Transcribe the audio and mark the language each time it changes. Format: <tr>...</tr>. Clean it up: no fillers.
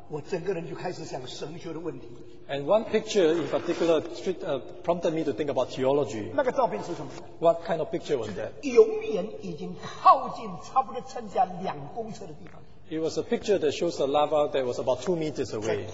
<zh>有一张照片在其中的我看了，我整个人就开始想神学的问题。</zh> <en>And one picture in particular prompted me to think about theology.</en> <zh>那个照片是什么?</zh> <en>What kind of picture was that?</en> <zh>熔岩已经靠近差不多剩下2公尺的地方。</zh> <en>It was a picture that shows the lava that was about 2 meters away.</en>